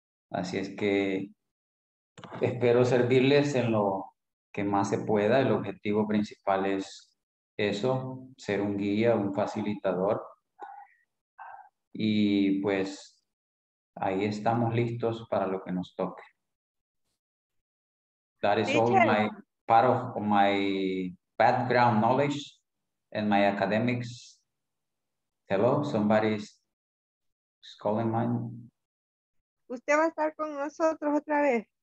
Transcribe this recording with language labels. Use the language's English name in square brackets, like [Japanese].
[Spanish] Así es que espero servirles en lo que más se pueda. El objetivo principal es eso, ser un guía, un facilitador. Y pues ahí estamos listos para lo que nos toque. [English] That is all my part of my background knowledge and my academics. Hello, somebody's calling mine. [Spanish] Usted va a estar con nosotros otra vez.